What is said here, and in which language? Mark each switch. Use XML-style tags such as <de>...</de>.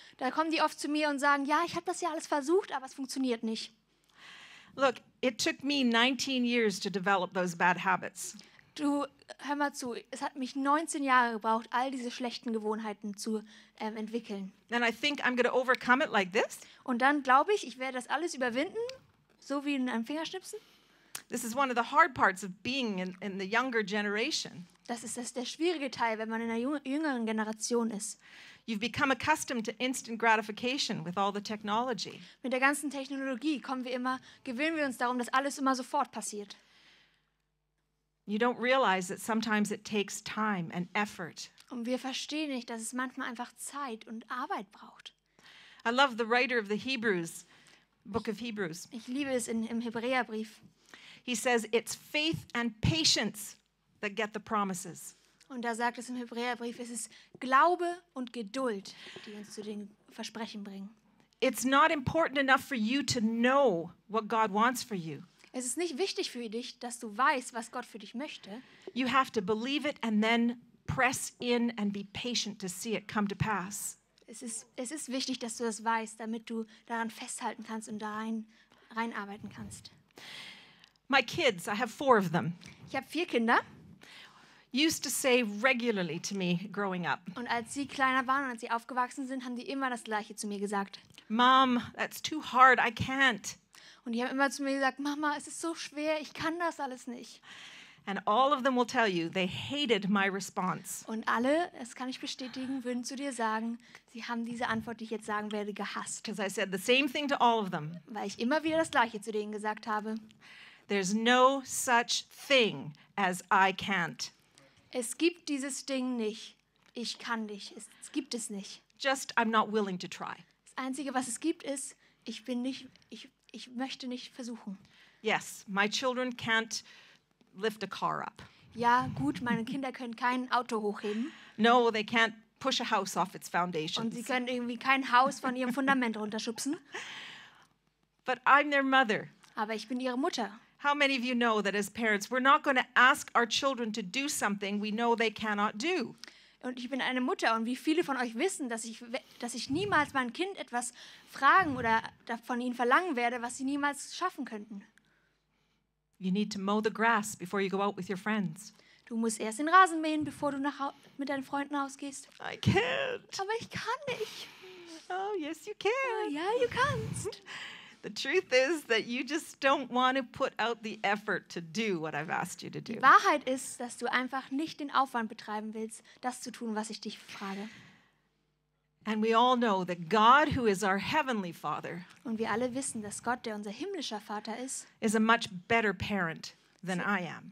<de>Da kommen die oft zu mir und sagen, ja, ich habe das ja alles versucht, aber es funktioniert nicht.</de> <en>Look, it took me 19 years to develop those bad habits.</en> <de>Du, hör mal zu, es hat mich 19 Jahre gebraucht, all diese schlechten Gewohnheiten zu entwickeln.</de> <en>And I think I'm gonna overcome it like this.</en> <de>Und dann glaube ich werde das alles überwinden, so wie in einem Fingerschnipsen.</de> <en>This is one of the hard parts of being in the younger generation.</en> <de>Das ist der schwierige Teil, wenn man in einer jüngeren Generation ist.</de> <en>You've become accustomed to instant gratification with all the technology.</en> <de>Mit der ganzen Technologie gewöhnen wir uns darum, dass alles immer sofort passiert.</de> <en>You don't realize that sometimes it takes time and effort.</en> <de>Und wir verstehen nicht, dass es manchmal einfach Zeit und Arbeit braucht.</de> <en>I love the writer of the Hebrews, Book of Hebrews.</en> <de>Ich liebe es im Hebräerbrief.</de> <en>He says it's faith and patience that get the promises.</en> <de>Und da sagt es im Hebräerbrief, es ist Glaube und Geduld, die uns zu den Versprechen bringen.</de> <en>It's not important enough for you to know what God wants for you.</en> <de>Es ist nicht wichtig für dich, dass du weißt, was Gott für dich möchte.</de> <en>You have to believe it and then press in and be patient to see it come to pass.</en> <de>Es ist wichtig, dass du das weißt, damit du daran festhalten kannst und da reinarbeiten kannst.</de> <en>My kids, I have 4 of them.</en> <de>Ich habe 4 Kinder.</de> <en>Used to say regularly to me growing up.</en> <de>Und als sie kleiner waren und als sie aufgewachsen sind, haben die immer das Gleiche zu mir gesagt.</de> <en>Mom, that's too hard, I can't.</en> <de>Und die haben immer zu mir gesagt, Mama, es ist so schwer, ich kann das alles nicht.</de> <en>And all of them will tell you, they hated my response.</en> <de>Und alle, das kann ich bestätigen, würden zu dir sagen, sie haben diese Antwort, die ich jetzt sagen werde, gehasst.</de> <en>Because I said the same thing to all of them.</en> <de>Weil ich immer wieder das Gleiche zu denen gesagt habe.</de> <en>There's no such thing as I can't.</en> <de>Es gibt dieses Ding nicht. Ich kann nicht. Es gibt es nicht.</de> <en>Just I'm not willing to try.</en> <de>Das Einzige, was es gibt, ist, ich möchte nicht versuchen.</de> <en>Yes, my children can't lift a car up.</en> <de>Ja, gut, meine Kinder können kein Auto hochheben.</de> <en>No, they can't push a house off its foundations.</en> <de>Und sie können irgendwie kein Haus von ihrem Fundament runterschubsen.</de> <en>But I'm their mother.</en> <de>Aber ich bin ihre Mutter.</de> <en>How many of you know that as parents we're not going to ask our children to do something we know they cannot do?</en> <de>Und ich bin eine Mutter und wie viele von euch wissen, dass ich niemals mein Kind etwas fragen oder von ihnen verlangen werde, was sie niemals schaffen könnten.</de> <en>You need to mow the grass before you go out with your friends.</en> <de>Du musst erst den Rasen mähen, bevor du mit deinen Freunden ausgehst.</de> <en>I can't.</en> <de>Aber ich kann nicht.</de> <en>Oh, yes you can. Oh, yeah, you can't. The truth is that you just don't want to put out the effort to do what I've asked you to do.</en> <de>Die Wahrheit ist, dass du einfach nicht den Aufwand betreiben willst, das zu tun, was ich dich frage.</de> <en>And we all know that God, who is our heavenly Father,</en> <de>und wir alle wissen, dass Gott, der unser himmlischer Vater ist,</de> <en>is a much better parent than I am.</en>